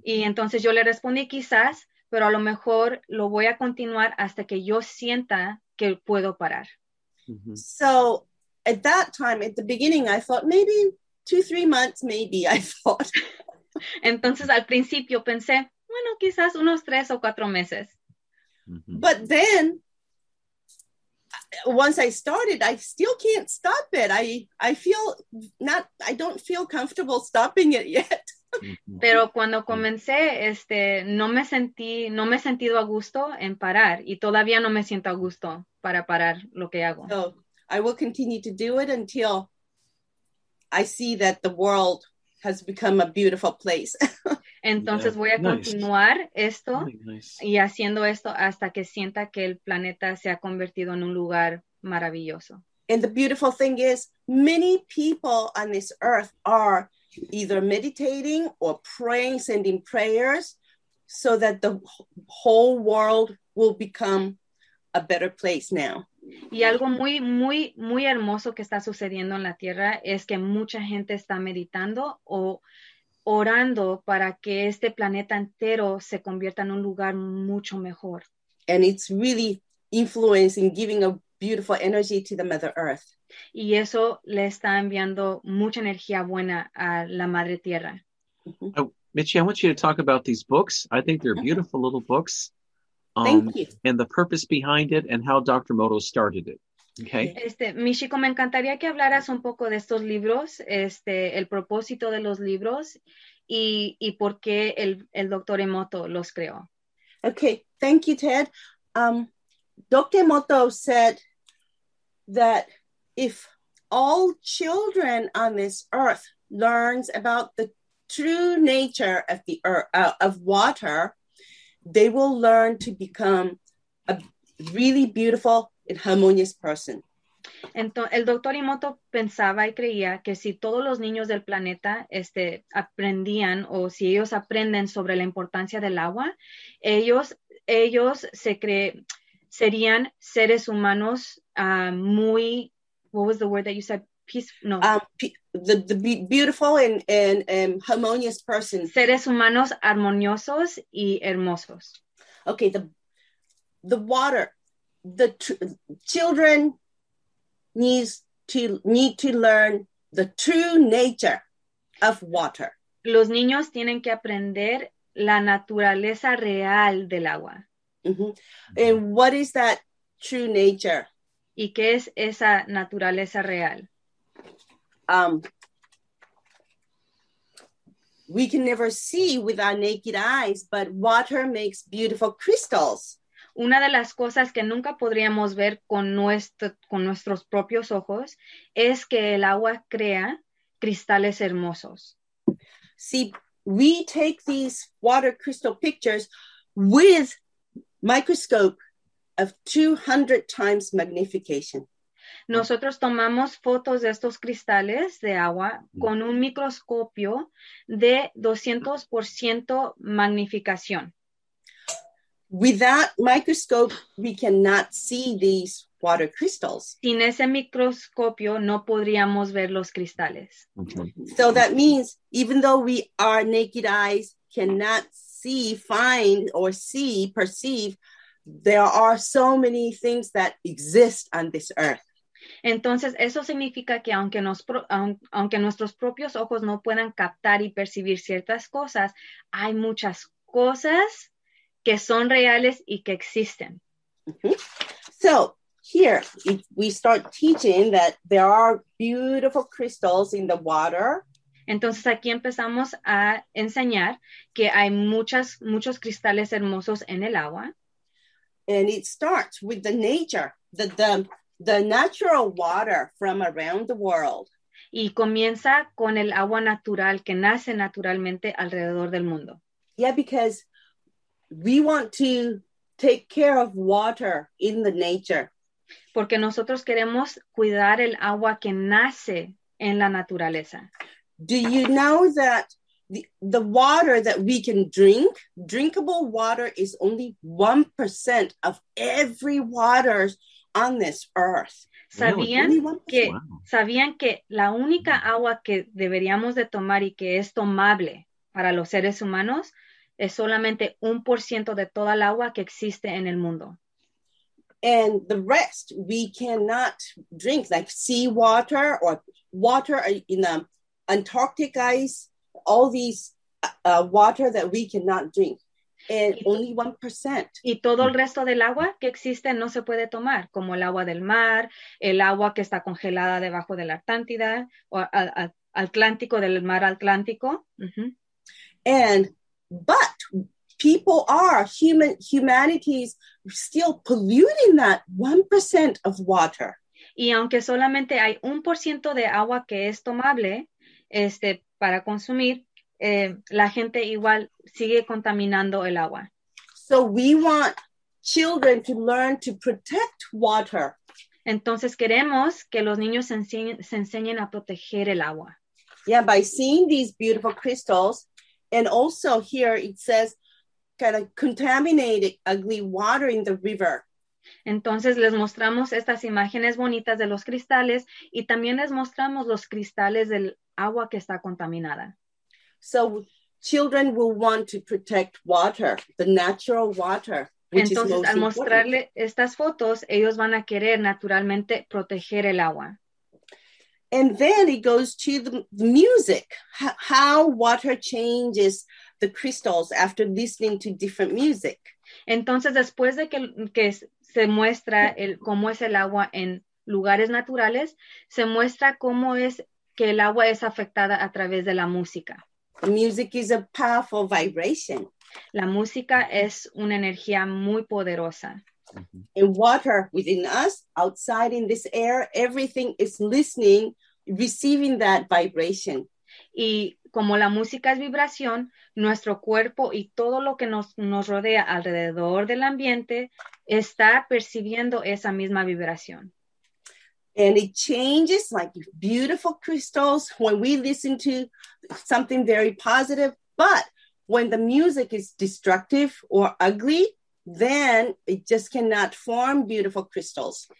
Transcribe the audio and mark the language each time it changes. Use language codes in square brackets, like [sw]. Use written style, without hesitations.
[es] Y entonces yo le respondí quizás, pero a lo mejor lo voy a continuar hasta que yo sienta que puedo parar. [en] Mm-hmm. So at that time, at the beginning, I thought maybe 2-3 months, maybe, I thought. [es] Entonces, al principio pensé, bueno, quizás unos 3 o 4 meses. [en] But then, once I started, I still can't stop it. I don't feel comfortable stopping it yet. [es] Pero cuando comencé, no me he sentido a gusto en parar, y todavía no me siento a gusto para parar lo que hago. [en] So I will continue to do it until I see that the world has become a beautiful place. [es] Entonces voy a continuar esto y haciendo esto hasta que sienta que el planeta se ha convertido en un lugar maravilloso. [en] And the beautiful thing is, many people on this earth are either meditating or praying, sending prayers, so that the whole world will become a better place now. [es] Y algo muy, muy, muy hermoso que está sucediendo en la Tierra es que mucha gente está meditando o orando para que este planeta entero se convierta en un lugar mucho mejor. [en] And it's really influencing, giving a beautiful energy to the Mother Earth. [es] Y eso le está enviando mucha energía buena a la Madre Tierra. [en] Michi, I want you to talk about these books. I think they're beautiful little books. Thank you. And the purpose behind it and how Dr. Moto started it. Okay. [es] Michiko, me encantaría que hablaras un poco de estos libros, el propósito de los libros y por qué el Dr. Emoto los creó. [en] Okay, thank you, Ted. Dr. Emoto said that if all children on this earth learns about the true nature of the earth, of water, they will learn to become a really beautiful and harmonious person. [es] Entonces, el doctor Emoto pensaba y creía que si todos los niños del planeta aprendían o si ellos aprenden sobre la importancia del agua, ellos serían seres humanos muy, [en] what was the word that you said? Peace, [es] no. [en] The beautiful and harmonious person. [es] Seres humanos armoniosos y hermosos. [en] Okay, the water. The children need to learn the true nature of water. [es] Los niños tienen que aprender la naturaleza real del agua. [en] Mm-hmm. And what is that true nature? [es] ¿Y qué es esa naturaleza real? [en] We can never see with our naked eyes, but water makes beautiful crystals. [es] Una de las cosas que nunca podríamos ver con nuestros propios ojos es que el agua crea cristales hermosos. [en] See, we take these water crystal pictures with microscope of 200 times magnification. [es] Nosotros tomamos fotos de estos cristales de agua con un microscopio de 200% magnificación. [en] With that microscope, we cannot see these water crystals. [es] Sin ese microscopio, no podríamos ver los cristales. [en] So that means, even though we, our naked eyes cannot see, find, or see, perceive, there are so many things that exist on this earth. [es] Entonces, eso significa que aunque nuestros propios ojos no puedan captar y percibir ciertas cosas, hay muchas cosas que son reales y que existen. Mm-hmm. [en] So, here, if we start teaching that there are beautiful crystals in the water. [es] Entonces, aquí empezamos a enseñar que hay muchos cristales hermosos en el agua. [en] And it starts with the nature, the natural water from around the world. [es] Y comienza con el agua natural que nace naturalmente alrededor del mundo. [en] Yeah, because we want to take care of water in the nature. [es] Porque nosotros queremos cuidar el agua que nace en la naturaleza. [en] Do you know that the water that we can drink, drinkable water, is only 1% of every water on this earth? [es] Sabían que la única agua que deberíamos de tomar y que es tomable para los seres humanos es solamente 1% de toda el agua que existe en el mundo. [en] And the rest, we cannot drink, like seawater or water in the Antarctic ice, all these water that we cannot drink. And only 1%. [es] Y todo el resto del agua que existe no se puede tomar, como el agua del mar, el agua que está congelada debajo de la Antártida, o Atlántico, del mar Atlántico. Uh-huh. [en] And, but people are, humanity is still polluting that 1% of water. [es] Y aunque solamente hay 1% de agua que es tomable, para consumir, la gente igual sigue contaminando el agua. [en] So we want children to learn to protect water. [es] Entonces queremos que los niños se enseñen a proteger el agua. [en] Yeah, by seeing these beautiful crystals, and also here it says, kind of contaminated, ugly water in the river. [es] Entonces les mostramos estas imágenes bonitas de los cristales y también les mostramos los cristales del agua que está contaminada. [en] So children will want to protect water, the natural water, which [es] Entonces, [en] is most important. [es] Entonces al mostrarle estas fotos, ellos van a querer naturalmente proteger el agua. [en] And then it goes to the music, how water changes the crystals after listening to different music. [es] Entonces después de que se muestra cómo es el agua en lugares naturales, se muestra cómo es que el agua es afectada a través de la música. [en] Music is a powerful vibration. [es] La música es una energía muy poderosa. Mm-hmm. [en] And water within us, outside in this air, everything is listening, receiving that vibration. [es] Y como la música es vibración, nuestro cuerpo y todo lo que nos rodea alrededor del ambiente está percibiendo esa misma vibración. [en] And it changes like beautiful crystals when we listen to something very positive, but when the music is destructive or ugly, then it just cannot form beautiful crystals.